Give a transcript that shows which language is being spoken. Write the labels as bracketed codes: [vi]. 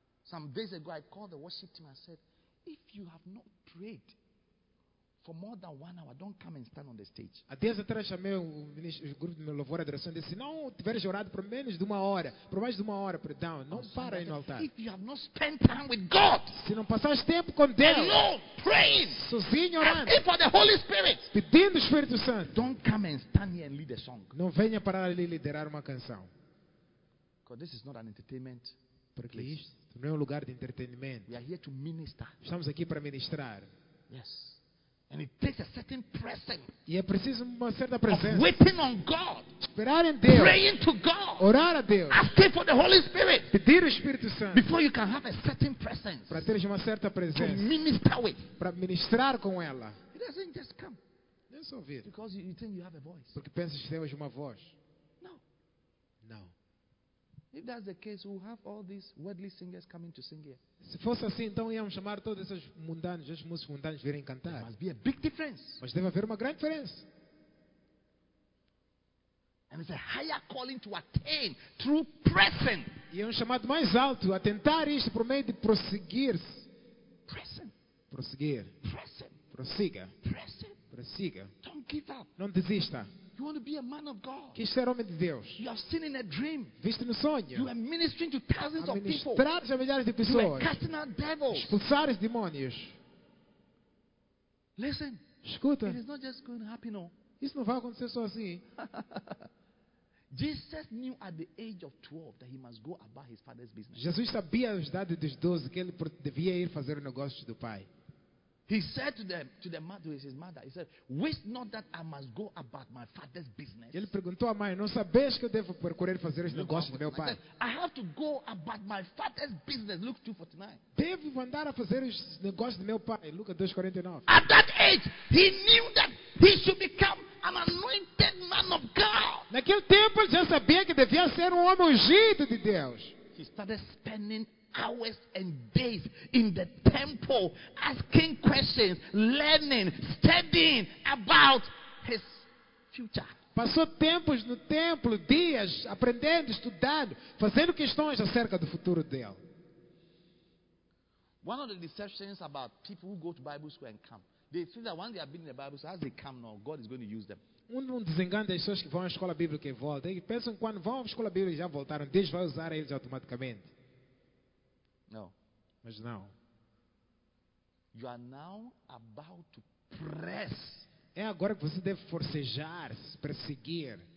[en] Some days ago, I called the worship team and said, if you have not prayed for more than 1 hour. Don't come and stand on the stage. [pt] Há dias atrás chamei o grupo de louvor e adoração e disse: não tiveres orado por menos de uma hora, por mais de uma hora, perdão, não para aí no altar. [en] If you have not spent time with God, [pt] se não passares tempo com Deus, [en] alone, praying, [pt] sozinho orando, [en] asking for the Holy Spirit, [pt] pedindo o Espírito Santo, [en] don't come and stand here and lead a song. [pt] Não venha parar ali e liderar uma canção. [en] Because this is not an entertainment. [pt] Porque isto não é lugar de entretenimento. [en] We are here to minister. [pt] Estamos aqui para ministrar. [en] Yes. And it takes a certain presence. [pt] E é preciso uma certa presença. [en] Of waiting on God. [pt] Esperar em Deus. [en] Praying to God. [pt] Orar a Deus. [en] Asking for the Holy Spirit. [pt] Pedir o Espírito Santo. [en] Before you can have a certain presence. [pt] Para teres uma certa presença. [en] To minister with. [pt] Para ministrar com ela. [en] It doesn't just come. [pt] Não é só vir. [en] Because you think you have a voice. [pt] Porque pensas que tens uma voz. [en] No. [pt] No. [en] If that's the case, we'll have all these worldly singers coming to sing here. [pt] Se fosse assim, então íamos chamar todos esses mundanos, esses músicos mundanos, virem cantar. [en] There must be a big difference. [pt] Mas deve haver uma grande diferença. [en] And it's a higher calling to attain through pressing. [pt] E é chamado mais alto a tentar isto por meio de prosseguir-se. [en] Pressing. [pt] Prosseguir. [en] Pressing. [pt] Prossiga. [en] Pressing. [pt] Prossiga. [en] Don't give up. [pt] Não desista. [en] You want to be a man of God. [pt] Quis ser homem de Deus. [en] You have seen in a dream. [pt] Viste no sonho. [en] You are ministering to thousands of people. [pt] Ministrares a milhares de pessoas. [en] You are casting out devils. [pt] Expulsares demônios. [en] Listen. [pt] Escuta. [en] It is not just going to happen, no. [pt] Isso não vai acontecer só assim. [en] Jesus knew at the age of 12 that he must go about his father's business. [pt] Jesus sabia à idade dos 12 que ele devia ir fazer o negócio do pai. [en] He said to them, to his mother, he said, "Wish not that I must go about my father's business." [pt] Ele perguntou à mãe, não sabes que eu devo procurar fazer esse negócio do meu pai? [en] I have to go about my father's business. Luke 2:49. [pt] Devo andar a fazer os negócios do meu pai? Lucas 2:49. [en] At that age, he knew that he should become an anointed man of God. [pt] Naquele tempo, ele já sabia que devia ser homem ungido de Deus. [en] He started spending hours and days in the temple asking questions, learning, studying about his future. [pt] Passou tempos no templo, dias aprendendo, estudando, fazendo questões acerca do futuro dele. [en] One of the deceptions about people who go to Bible school and come, they feel that once they have been in the Bible school, as they come now, God is going to use them. [pt] Um desengano das pessoas que vão à escola bíblica e voltam, e pensam que quando vão à escola bíblica e já voltaram, Deus vai usar eles automaticamente. [en] No. [pt] Mas não. [en] You are now about to press. [pt] É agora que você deve forcejar, perseguir.